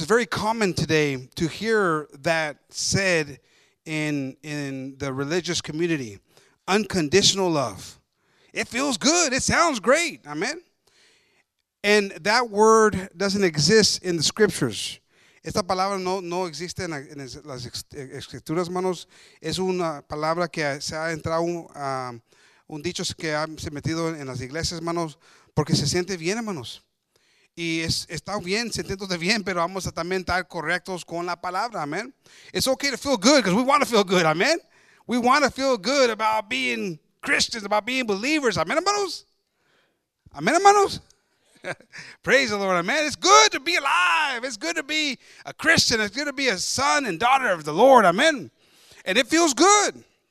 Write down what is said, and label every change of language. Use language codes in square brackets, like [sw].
[en] It's very common today to hear that said in the religious community. Unconditional love. It feels good. It sounds great. Amen. And that word doesn't exist in the scriptures. [es] Esta palabra no existe en las escrituras, hermanos. Es una palabra que se ha entrado un dicho que se ha metido en las iglesias, hermanos, porque se siente bien, hermanos. Y está bien, sintiéndote bien, pero vamos a también estar correctos con la palabra, amen. [en] It's okay to feel good because we want to feel good, amen. We want to feel good about being Christians, about being believers, amen, hermanos. Amen, hermanos. Praise the Lord, amen. It's good to be alive. It's good to be a Christian. It's good to be a son and daughter of the Lord, amen. And it feels good.